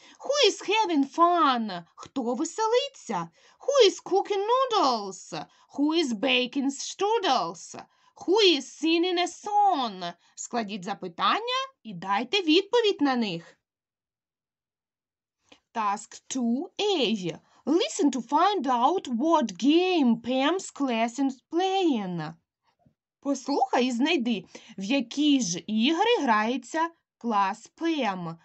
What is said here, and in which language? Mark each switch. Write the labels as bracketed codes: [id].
[en] Who is having fun? [uk] Хто веселиться? [en] Who is cooking noodles? Who is baking strudels? Who is singing a song? [uk] Складіть запитання і дайте відповідь на них. [en] Task 2A. Listen to find out what game Pam's class is playing. [uk] Послухай і знайди, в які ж ігри грається клас Pam.